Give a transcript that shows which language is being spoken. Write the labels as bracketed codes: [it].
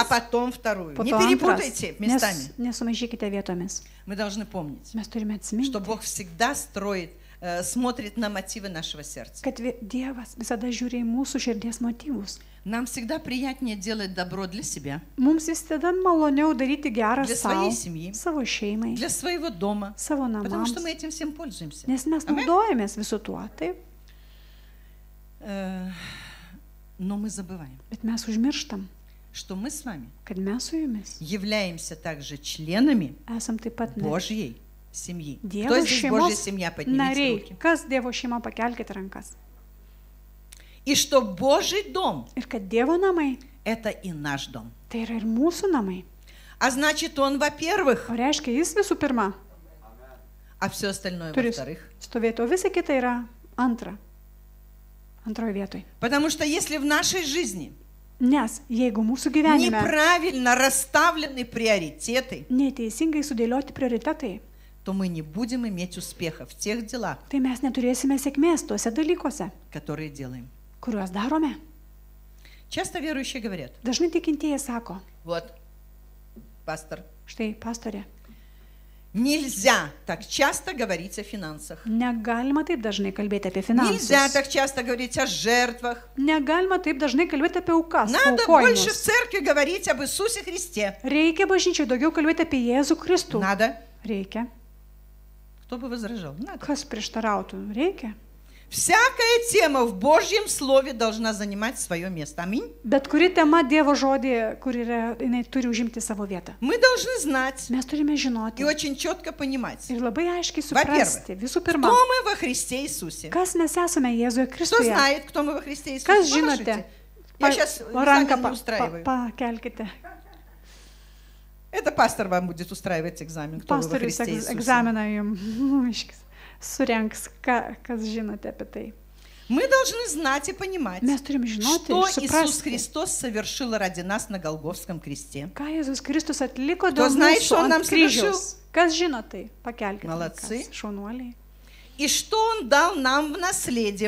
[ru] а потом вторую. Потом не перепутайте [lt] antras. [ru] Местами. [lt] Не сумешиките ветомис. [ru] Мы должны помнить, что Бог всегда строит смотрит на мотивы нашего сердца. Нам всегда приятнее делать добро для себя. [lt] Mums visada maloniau daryti gerą [ru] для своей семьи, [lt] savo šeimai, [ru] для своего дома, [lt] savo namams, [ru] потому что мы этим всем пользуемся. [lt] Nes mes naudojamės visu tuo, taip. [ru] Но мы забываем, [lt] bet mes užmirštam, [ru] что мы с вами, [lt] kad mes su jumis, [ru] являемся также членами [lt] esam taip pat [ru] Божьей семьи. [lt] Dievo [ru] Кто здесь Божья семья? Поднимите нарей. Руки. [lt] Kas Dievo šeima, pakelkite rankas. [ru] И что Божий дом [lt] ir kad Dievo namai, [ru] это и наш дом. [lt] Tai yra ir mūsų namai. [ru] А значит, он, во-первых, [lt] reiškia, jis visų pirma, [ru] а все остальное, во-вторых, [lt] stovėti, o visa kita yra antra, antroje vietoj. [ru] Потому что если в нашей жизни [lt] nes, jeigu mūsų gyvenime [ru] неправильно расставлены приоритеты, [lt] neteisingai sudėlioti prioritetai, [ru] то мы не будем иметь успеха в тех делах, [lt] tai mes neturėsime sėkmės tuose dalykuose, [ru] которые делаем. [lt] Kuriuos darome. [ru] Часто верующие говорят. [lt] Dažnai tikintieji sako. [ru] Вот, пастор. [lt] Štai, пасторе. [ru] Нельзя так часто говорить о финансах. [lt] Negalima taip dažnai kalbėti apie finansus. [ru] Нельзя так часто говорить о жертвах. [lt] Negalima taip dažnai kalbėti apie aukas. [ru] Надо больше в церкви говорить об Иисусе Христе. [lt] Reikia bažnyčioje daugiau kalbėti apie Jėzų Kristų. [ru] Надо. [lt] Reikia. [ru] Кто бы возражал? Надо. [lt] Kas prieštarautų? Reikia. [ru] Всякая тема в Божьем слове должна занимать свое место. Аминь. [lt] Bet kuri tema Dievo žodyje, kuri yra, jinai turi užimti savo vietą. [ru] Мы должны знать. [lt] Mes turime žinoti. [ru] И очень четко понимать. [lt] Ir labai aiškiai suprasti. Visų pirma. [ru] Кто мы во Христе Иисусе? [lt] Kas mes esame Jėzuje Kristuje? [ru] Кто знает, кто мы во Христе Иисусе? [lt] Kas žinote? [ru] Я сейчас ранка не устраиваю. [lt] Pakelkite. [ru] Это пастор вам будет устраивать экзамен, кто [lt] Pastor [ru] вы во Христе Иисусе. Экзамена им. [lt] Surenks, kas žinote apie tai. [ru] Мы должны знать и понимать, [lt] mes turim žinoti, [ru] что Иисус Христос совершил ради нас на Голгофском кресте. [lt] Ką Jėzus Kristus atliko dėl mūsų ant kryžiaus? Kas žino tai? Pakelkite. [ru] Молодцы. [lt] Šaunuoliai. [ru] И что он дал нам в наследие?